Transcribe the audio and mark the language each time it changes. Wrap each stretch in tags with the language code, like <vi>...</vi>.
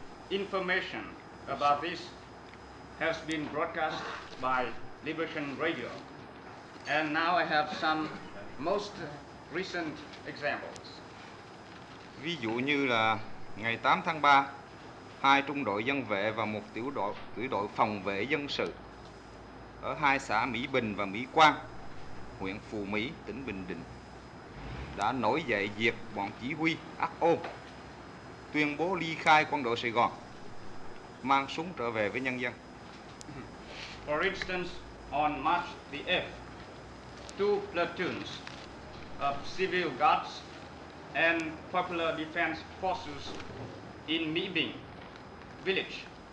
<en>Information about this has been broadcast by Liberation Radio. And now I have some most recent examples.</en> <vi>Ví dụ như là ngày 8 tháng 3, hai trung đội dân vệ và một tiểu đội phòng vệ dân sự ở hai xã Mỹ Bình và Mỹ Quang, huyện Phù Mỹ, tỉnh Bình Định đã nổi dậy diệt bọn chỉ huy ác ôn, tuyên bố ly khai quân đội Sài Gòn, mang súng trở về với nhân dân.</vi> <en>For instance, on March the 8th, two platoons of civil guards and popular defense forces in Mỹ Bình village,</en>